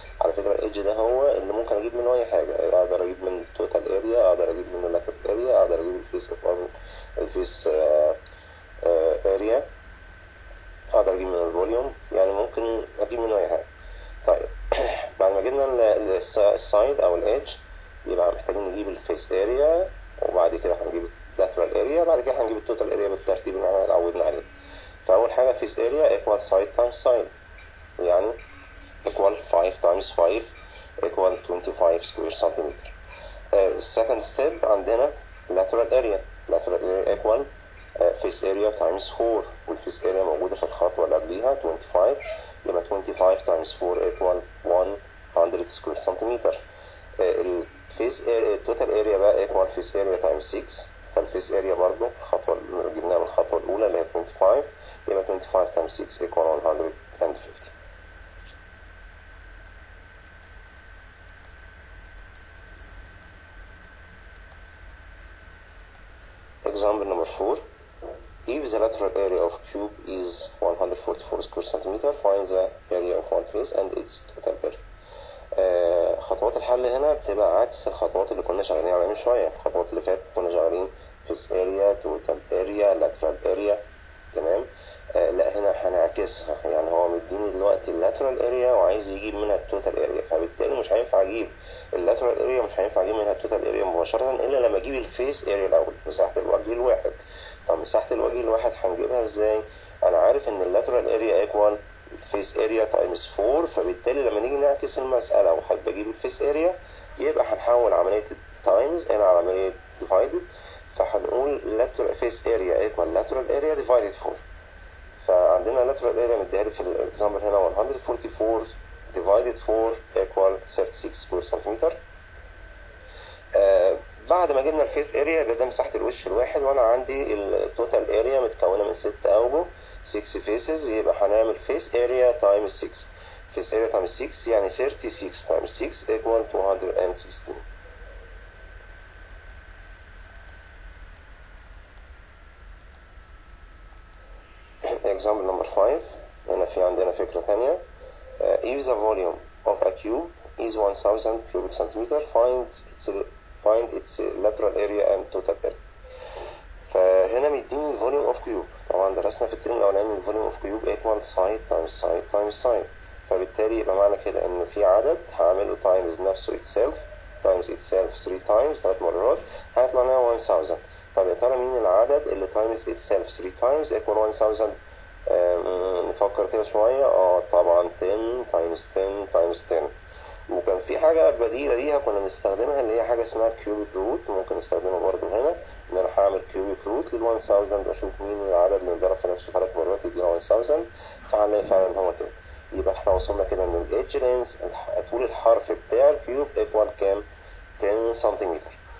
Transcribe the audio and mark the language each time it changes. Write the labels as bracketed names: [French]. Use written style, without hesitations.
[Arabic] على فكرة ال edge ده هو اللي ممكن أجيب منه أي حاجة، أقدر أجيب من total area، أقدر أجيب منه lateral area، أقدر أجيب الفيس area، أقدر أجيب منه الفوليوم، يعني ممكن أجيب منه أي حاجة. طيب بعد ما جبنا ال side أو ال edge يبقى محتاجين نجيب ال face area، وبعد كده هنجيب ال lateral area، بعد كده هنجيب ال total area بالترتيب اللي احنا اتعودنا عليه. [English] فأول حاجة face area equal side times side، يعني equal 5 times 5 equal 25 square centimeter. Second step عندنا lateral area، lateral area equal face area times 4، والface area [Arabic] موجودة في الخطوة اللي قبليها [English] 25، يبقى 25 times 4 equal 100 square centimeter. [Arabic] الface area total area بقى equal face area times 6، فالفيس اريا برضو الخطوة اللي جبناها من الخطوة الأولى اللي هي 25، يبقى 25 تايمز 6 ايكوال 150. [English] Example number 4. If the lateral area of cube is 144 square centimeter, find the area of one face and its total area. [Arabic] خطوات الحل هنا بتبقى عكس الخطوات اللي كنا شغالين عليها من شوية. الخطوات اللي فاتت كنا شغالين فيس اريا، توتال اريا، لاترال اريا، تمام؟ لا هنا هنعكسها، يعني هو مديني دلوقتي اللاترال اريا وعايز يجيب منها التوتال اريا، فبالتالي مش هينفع اجيب اللاترال اريا، مش هينفع اجيب منها التوتال اريا مباشرة الا لما اجيب الفيس اريا الاول، مساحة الوجه الواحد. طب مساحة الوجه الواحد هنجيبها ازاي؟ انا عارف ان اللاترال اريا ايكوال فيس اريا تايمز 4، فبالتالي لما نيجي نعكس المسألة وحابب اجيب الفيس اريا يبقى هنحول عملية التايمز الى عملية ديفايدد، فهنقول [English] lateral face area equal lateral area divided 4. فعندنا lateral area [Arabic] مديها لي في الاكزامبل هنا [English] 144 divided 4 equal 36 square centimeter. [Arabic] بعد ما جبنا ال face area يبقى ده مساحة الوش الواحد، وانا عندي ال total area متكونة من 6 اوجه 6 faces، يبقى هنعمل face area times 6. [English] face area times 6 يعني 36 times 6 equal 216. Example number 5. [Arabic] هنا في عندنا فكرة ثانية. [English] If the volume of a cube is 1000 cubic centimeter, find its lateral area and total area. فهنا مديني volume of cube. [Arabic] طبعا درسنا في الترم الأولاني ان [English] volume of cube equal side times side times side. [Arabic] فبالتالي يبقى معنى كده ان في عدد هعمله times نفسه itself times itself 3 times 3 مرات هيطلع لنا 1000. طب يا ترى مين العدد اللي [English] times itself 3 times equal 1000؟ [Arabic] نفكر كده شوية. [English] طبعا 10 times 10 times 10. [Arabic] وكان في حاجة بديلة ليها كنا بنستخدمها اللي هي حاجة اسمها cubic root، ممكن نستخدمها برضه هنا، إن أنا هعمل cubic root لل 1000 وأشوف مين العدد اللي انضرب في نفسه 3 مرات يديني 1000، فهنلاقي فعلا هو 10. يبقى احنا وصلنا كده إن ال edge length طول الحرف بتاع ال cube equal كام؟ 10 سنتيمتر.